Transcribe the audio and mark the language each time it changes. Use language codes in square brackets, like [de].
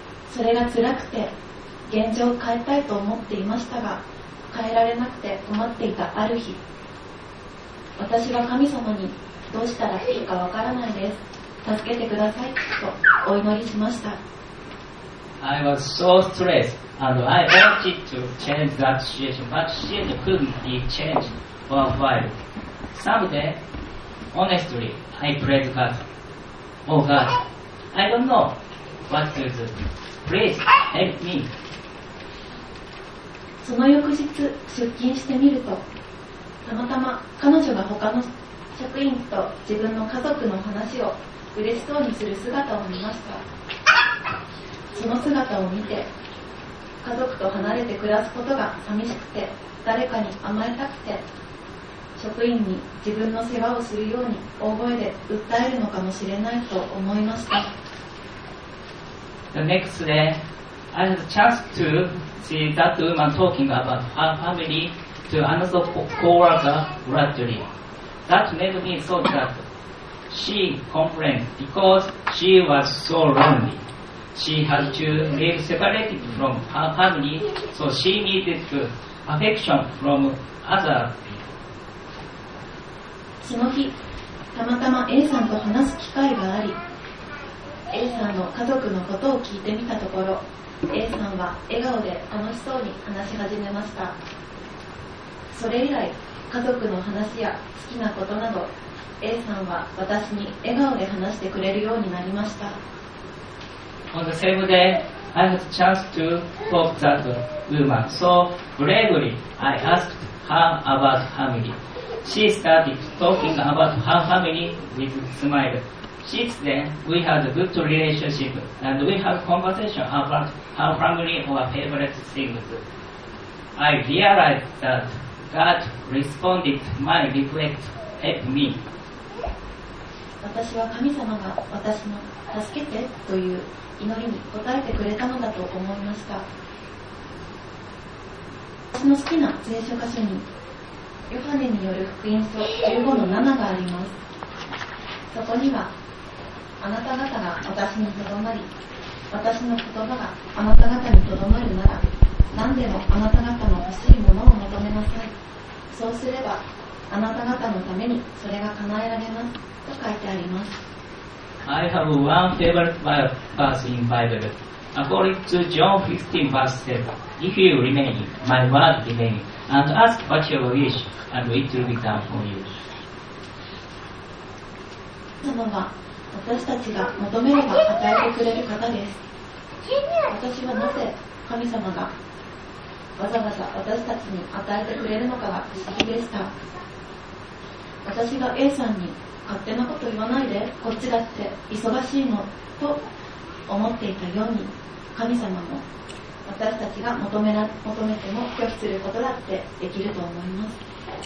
[ja] それが辛くて、現状を変えたいと思っていましたが、変えられなくて困っていたある日、私は神様にどうしたらいいかわからないです、助けてくださいとお祈りしました。 [en] I was so stressed and I wanted to change that situation, but she couldn't be changed for a while. Someday, honestly, I prayed God, Oh God, I don't know what to do. Please help me. [ja] その翌日出勤してみると、たまたま彼女が他の職員と自分の家族の話を嬉しそうにする姿を見ました。その姿を見て、家族と離れて暮らすことが寂しくて誰かに甘えたくて、職員に自分の世話をするように大声で訴えるのかもしれないと思いました。 [en] The next day, I had a chance to see that woman talking about her family to another co-worker gradually. That made me thought that she complained because she was so lonely. She had to live separated from her family, so she needed affection from other people. [ja] その日、たまたま A さんと話す機会があり、 A さんの家族のことを聞いてみたところ、A さんは笑顔で楽しそうに話し始めました。それ以来、家族の話や好きなことなど、 A さんは私に笑顔で話してくれるようになりました。 [en] On the same day, I had a chance to talk to that woman. So bravely, I asked her about family. She started talking about her family with a smile. Since then, we had a good relationship, and we had conversation about her family or favorite things. I realized that God responded to my request, help me. [ja] 私は神様が私の助けてという祈りに応えてくれたのだと思いました。私の好きな聖書箇所に、ヨハネによる福音書 15-7 があります。そこには、あなた方が私にとどまり、私の言葉があなた方にとどまるなら、何でもあなた方の欲しいものを求めなさい。そうすれば、あなた方のためにそれが叶えられますと書いてあります。 [en] I have one favorite verse in Bible. According to John 15 verse 7, If you remain, my word remain, and ask what you wish, and it will be done for you. [ja] 様は私たちが求めれば与えてくれる方です。私はなぜ神様がわざわざ私たちに与えてくれるのかが不思議でした。私が A さんに勝手なこと言わないで、こっちだって忙しいのと思っていたように、神様も私たちが求めても拒否することだってできると思います。